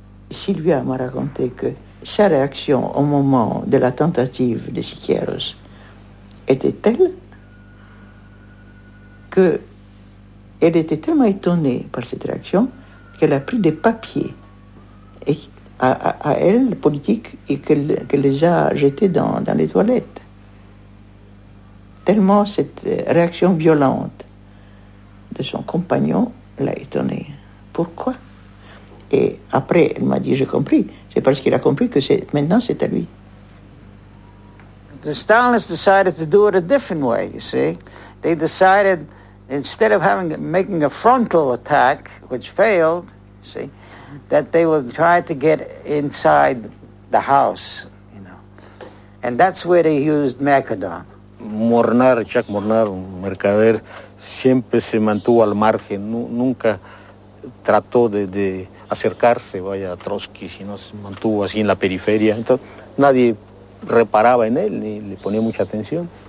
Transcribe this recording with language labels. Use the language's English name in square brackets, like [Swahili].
[French] Silvia m'a raconté que sa réaction au moment de la tentative de Siqueiros était telle que elle était tellement étonnée par cette réaction qu'elle a pris des papiers à elle, politique, et qu'elle les a jetés dans les toilettes. Tellement cette réaction violente de son compagnon l'a étonnée. Pourquoi ? Et après, elle m'a dit, j'ai compris. C'est parce qu'il a compris que maintenant, c'est à lui. [English] The Stalinists decided to do it a different way, you see. They decided, instead of making a frontal attack, which failed, you see, that they would try to get inside the house, you know. And that's where they used Mercader. [Spanish] Mornar, Jacques Mornar, un mercader, siempre se mantuvo al margen, nunca trató de acercarse, vaya, a Trotsky, sino se mantuvo así en la periferia. Entonces nadie reparaba en él ni le ponía mucha atención.